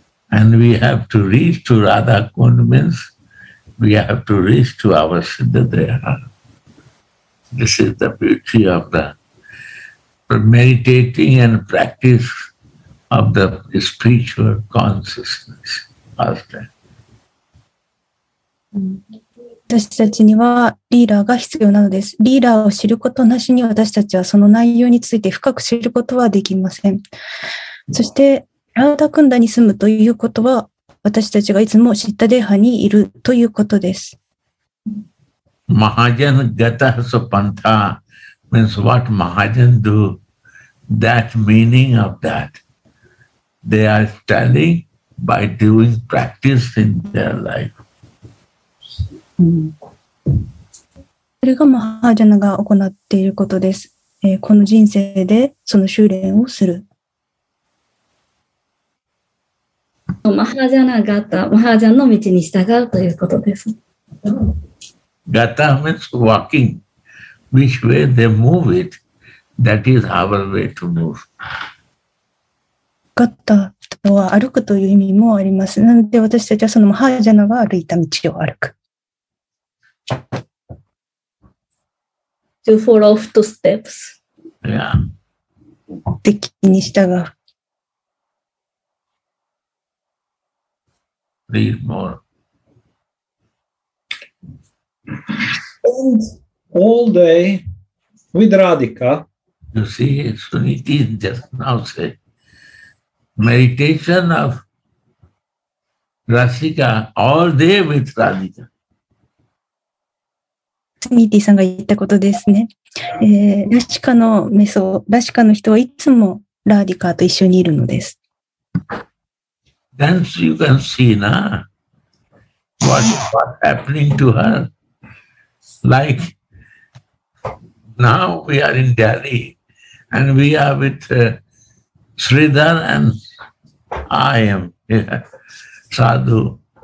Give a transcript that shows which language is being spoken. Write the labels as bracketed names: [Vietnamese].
[English] And we have to reach to Radha Kund means we have to reach to our Siddhadeha. This is the beauty of the meditating and practice of the spiritual consciousness. After. [Japanese] 私たちにはリーダーが必要なのです。リーダーを知ることなしに私たちはその内容について深く知ることはできません。そして、ラーダクンダに住むということは、私たちがいつもシッタデーハにいるということです。 [Sanskrit] マハジャン・ガタハソ・パンタ [English] means what Mahajan do, that meaning of that. They are telling by doing practice in their life. [Japanese] それがマハジャナが行っていることです。この人生でその修練をする。マハジャナガタ、マハジャンの道に従うということです。 [English] ガタ means walking. Which way they move it, that is our way to move. [Japanese] ガタとは歩くという意味もあります。なので私たちはそのマハジャナが歩いた道を歩く。 [English] To follow footsteps. Yeah. [Japanese] 敵に従う。 [English] Read more. Spend all day with Radhika. You see, Suniti just now said, meditation of Rasika all day with Radhika. [Japanese] スニーティさんが言ったことですね、ラシカのメソ、ラシカの人はいつもラーディカーと一緒にいるのです。 [English] Then you can see now what happening to her. Like now we are in Delhi and we are with Sridhar and I am Sadhu.